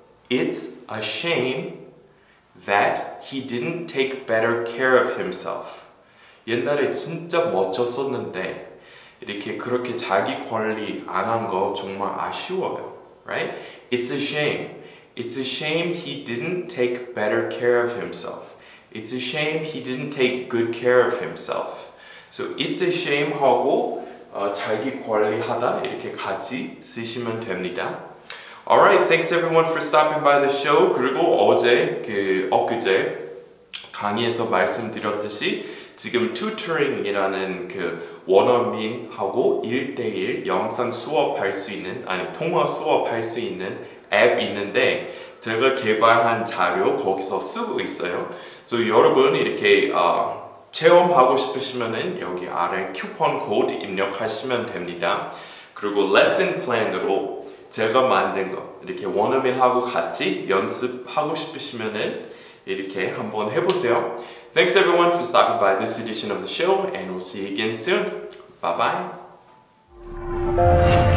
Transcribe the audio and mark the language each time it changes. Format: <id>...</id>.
<en>It's a shame that he didn't take better care of himself.</en> <ko>옛날에 진짜 멋졌었는데 이렇게 그렇게 자기 관리 안 한 거 정말 아쉬워요.</ko> <en>Right? It's a shame. It's a shame he didn't take better care of himself. It's a shame he didn't take good care of himself. So it's a shame</en> <ko>하고 자기 관리하다 이렇게 같이 쓰시면 됩니다.</ko> <en>Alright, thanks everyone for stopping by the show.</en> <ko>그리고 어제, 엊그제 강의에서 말씀드렸듯이 지금 튜터링이라는 그 원어민하고 1대1 영상 수업할 수 있는 아니 통화 수업할 수 있는 앱 있는데 제가 개발한 자료 거기서 쓰고 있어요. So 여러분 이렇게 체험하고 싶으시면은 여기 아래 쿠폰 코드 입력하시면 됩니다. 그리고 레슨 플랜으로 제가 만든 거 이렇게 원어민하고 같이 연습하고 싶으시면은 이렇게 한번 해보세요.</ko> <en>Thanks everyone for stopping by this edition of the show, and we'll see you again soon. Bye bye.</en>